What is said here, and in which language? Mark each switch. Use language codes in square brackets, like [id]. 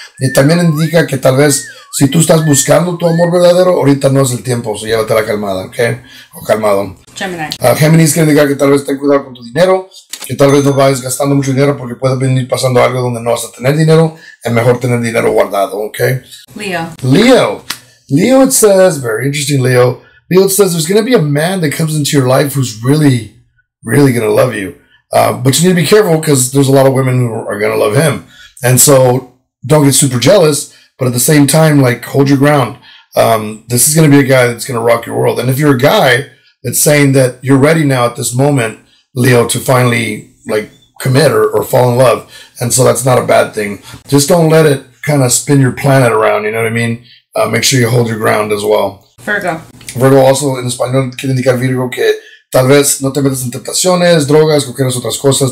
[es] Y también indica que tal vez si tú estás buscando tu amor verdadero, ahorita no es el tiempo, o sea, llévatela calmada, ¿ok? O calmado. [en] Gemini. [es] Géminis quiere indicar que tal vez ten cuidado con tu dinero, que tal vez no vayas gastando mucho dinero porque puede venir pasando algo donde no vas a tener dinero, es mejor tener dinero guardado, ¿ok? [en] Leo, it says, very interesting, Leo. Leo, it says there's going to be a man that comes into your life who's really, really going to love you. But you need to be careful because there's a lot of women who are going to love him. And so don't get super jealous, but at the same time, like, hold your ground. This is going to be a guy that's going to rock your world. And if you're a guy, it's saying that you're ready now at this moment, Leo, to finally, like, commit or fall in love. And so that's not a bad thing. Just don't let it kind of spin your planet around, you know what I mean? Make sure you hold your ground as well. Virgo. [es] Virgo also, in español, quiere indicar Virgo que tal vez no te metas en tentaciones, drogas, cualquier otras cosas.